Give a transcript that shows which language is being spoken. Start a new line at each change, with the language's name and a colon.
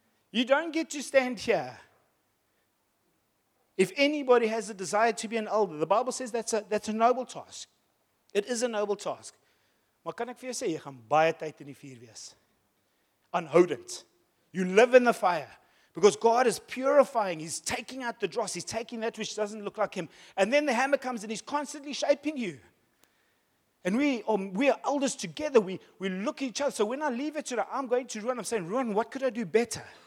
English: You don't get to stand here. If anybody has a desire to be an elder, the Bible says that's a noble task. It is a noble task.
Afrikaans: Maar kan ek vir jou sê, jy gaan baie tyd in die vuur wees. Aanhoudend.
English: You live in the fire. Because God is purifying. He's taking out the dross. He's taking that which doesn't look like him. And then the hammer comes and he's constantly shaping you. And we are elders together. We look at each other. So when I leave it to the, I'm going to Ruan. I'm saying, Ruan, what could I do better?